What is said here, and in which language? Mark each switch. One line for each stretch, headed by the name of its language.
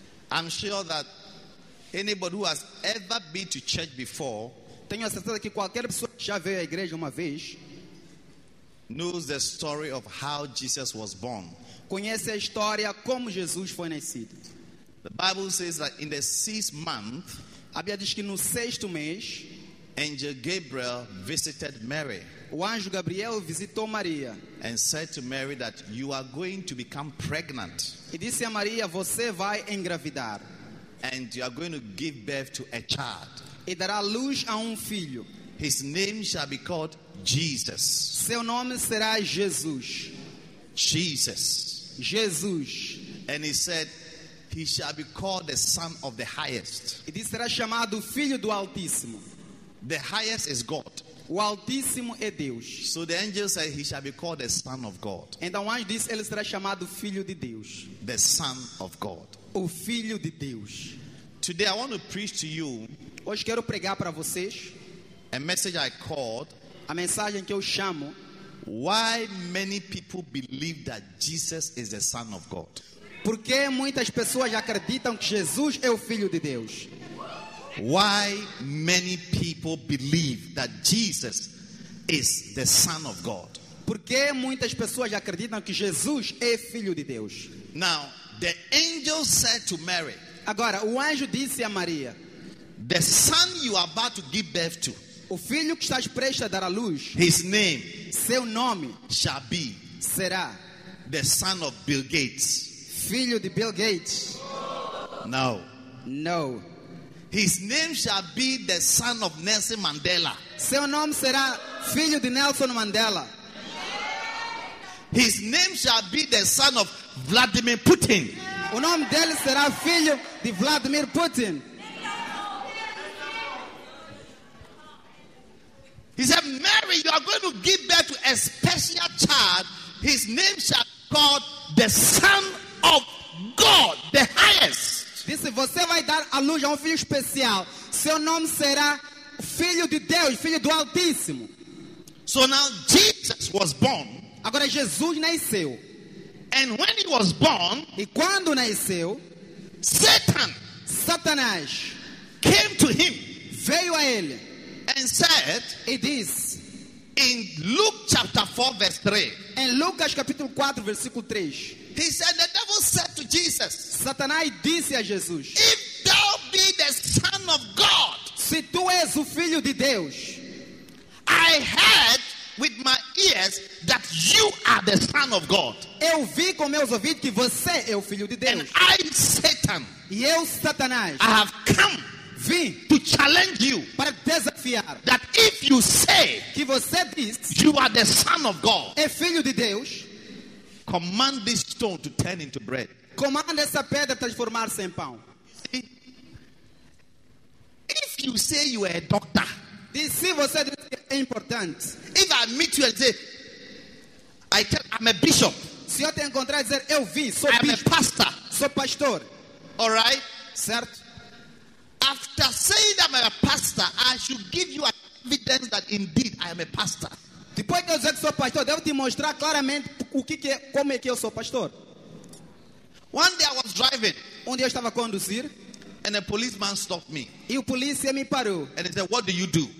English: I'm sure that anybody who has ever been to church before,
Portuguese: tenho a certeza que qualquer pessoa que já veio à igreja uma vez,
English: knows the story of how Jesus was born.
Portuguese: Conhece a história como Jesus foi nascido.
English: The Bible says that in the sixth month,
Portuguese: a Bíblia diz que no sexto mês,
English: angel Gabriel visited Mary.
Portuguese: O anjo Gabriel visitou Maria.
English: And said to Mary that you are going to become pregnant.
Portuguese: E disse a Maria: você vai engravidar.
English: And you are going to give birth to a child.
Portuguese: E dará luz a um filho.
English: His name shall be called Jesus.
Portuguese: Seu nome será Jesus.
English: Jesus.
Portuguese: Jesus.
English: And he said, he shall be called the Son of the Highest.
Portuguese: E disse: será chamado Filho do Altíssimo.
English: The Highest is God.
Portuguese: O Altíssimo é Deus.
English: So the angel said he shall be called the Son of God.
Portuguese: Então o anjo disse: ele será chamado Filho de Deus.
English: The Son of God.
Portuguese: O Filho de Deus.
English: Today I want to preach to you.
Portuguese: Hoje quero pregar para vocês.
English: A message I called.
Portuguese: A mensagem que eu chamo.
English: Why many people believe that Jesus is the Son of God?
Portuguese: Porque muitas pessoas acreditam que Jesus é o Filho de Deus.
English: Why many people believe that Jesus is the Son of God?
Portuguese: Porque muitas pessoas acreditam que Jesus é Filho de Deus.
English: Now, the angel said to Mary.
Portuguese: Agora, o anjo disse a Maria:
English: the son you are about to give birth to.
Portuguese: O filho que estás prestes a dar à luz.
English: His name.
Portuguese: Seu nome.
English: Shall be.
Portuguese: Será.
English: The son of Bill Gates.
Portuguese: Filho de Bill Gates.
English: No. No. His name shall be the son of Nelson Mandela. Seu nome será filho de Nelson Mandela. His name shall be the son of Vladimir Putin. O nome dele será filho de Vladimir Putin. He said, Mary, you are going to give birth to a special child. His name shall be called the Son of God, the Highest.
Portuguese: Disse: você vai dar à luz a um filho especial. Seu nome será Filho de Deus, Filho do Altíssimo.
English: So now Jesus was born.
Portuguese: Agora Jesus nasceu.
English: And when he was born,
Portuguese: e quando nasceu,
English: Satanás came to him,
Portuguese: veio a ele,
English: and said,
Portuguese: e diz,
English: in Luke chapter 4 verse 3.
Portuguese: Em Lucas capítulo 4 versículo 3.
English: He said, the devil said to Jesus,
Portuguese: Satanás disse a Jesus,
English: if thou be the son of God,
Portuguese: se tu és o filho de Deus,
English: I heard with my ears that you are the son of God.
Portuguese: Eu vi com meus ouvidos que você é o filho de Deus.
English: And I, Satan,
Portuguese: e eu, Satanás,
English: I have come,
Portuguese: vim,
English: to challenge you,
Portuguese: para desafiar,
English: that if you say,
Portuguese: que você diz,
English: you are the son of God,
Portuguese: é filho de Deus,
English: command this stone to turn into bread.
Portuguese: Comanda essa pedra transformar-se em pão.
English: If you say you are a doctor,
Portuguese: diz, se você diz que é importante,
English: if I meet you and say, I tell, I'm a bishop,
Portuguese: se eu te encontrar e dizer, eu vi, sou bispo,
English: I'm a pastor,
Portuguese: sou pastor,
English: all right,
Portuguese: certo,
English: after saying that I'm a pastor, I should give you evidence that indeed I am a pastor.
Portuguese: Depois que eu dizer que sou pastor, devo te mostrar claramente como é que eu sou pastor.
English: One day I was driving,
Portuguese: um dia eu estava a conduzir,
English: and a policeman stopped me.
Portuguese: E o polícia me parou.
English: And he said, what do you do?